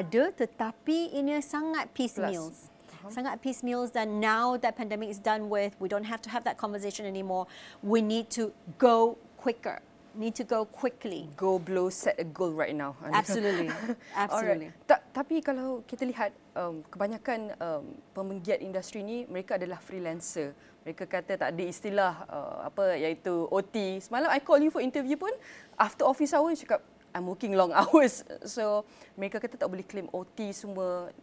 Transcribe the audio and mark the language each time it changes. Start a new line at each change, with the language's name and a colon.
Malay: ada, tetapi ini sangat piecemeal. Sangat piecemeal, dan
English: now that pandemic is done with, we don't have to have that conversation anymore. We need to go quicker. Need to go quickly. Go blow, set a goal right now. Absolutely. Absolutely.
Malay: Tapi kalau kita lihat, kebanyakan pemenggiat industri ni mereka adalah freelancer. Mereka kata tak ada istilah iaitu OT.
English: Semalam I call you for interview pun, after office hour, cakap, I'm working long hours.
Malay: So, mereka kata tak boleh claim OT semua.